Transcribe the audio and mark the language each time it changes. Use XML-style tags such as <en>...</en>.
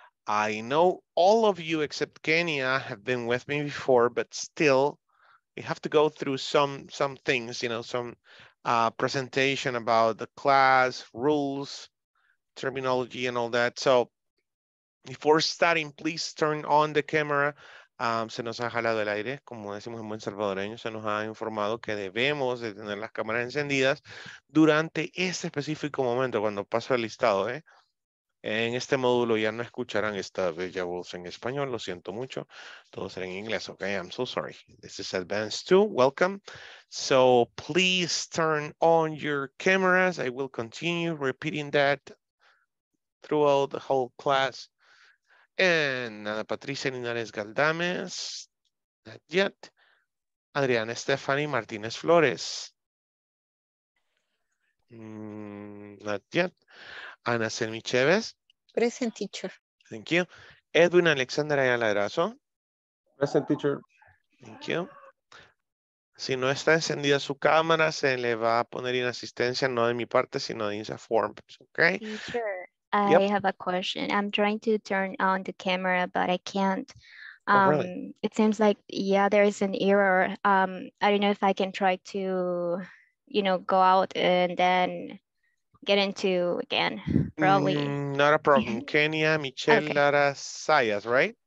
<en>I know all of you except Kenya have been with me before, but still. We have to go through some things, you know, some presentation about the class, rules, terminology, and all that. So before starting, please turn on the camera.</en> <es>Se nos ha jalado el aire, como decimos en buen salvadoreño, se nos ha informado que debemos de tener las cámaras encendidas durante este específico momento, cuando paso el listado. En este módulo ya no escucharán esta bella voz en español, lo siento mucho. Todo será en inglés,</es> <en>okay? I'm so sorry. This is Advanced 2, welcome. So please turn on your cameras. I will continue repeating that throughout the whole class. And Ana Patricia Linares Galdames, not yet. Adriana Stephanie Martinez Flores. Not yet. Ana Selmi Chévez. Present teacher. Thank you. Edwin Alexander Ayala Erazo. Present teacher. Thank you.</en> <es>Si no está encendida su cámara, se le va a poner inasistencia, no de mi parte, sino de INSAFORP.</es> <en>Okay. Teacher, yep. I have a question. I'm trying to turn on the camera, but I can't. Really? It seems like, there is an error. I don't know if I can try to, you know, go out and then get into again, probably. Not a problem. Kenya, Michelle, okay. Lara, Sayas, right?</en>